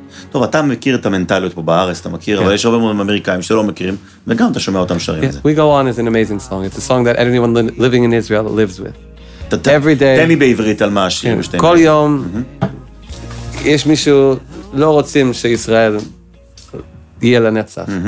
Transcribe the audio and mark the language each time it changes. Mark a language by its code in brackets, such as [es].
[he] טוב, אתה מכיר את המנטליות פה בארץ, אתה מכיר, אבל יש הרבה מאוד אמריקאים שלא מכירים, וגם אתה שומע אותם שרים את זה. [en] We Go On is an amazing song. It's a song that anyone living in Israel lives with. Every day. [he] תן לי בעברית על מה השירים שתיים. כל יום יש מישהו לא רוצים שישראל יהיה לנצח.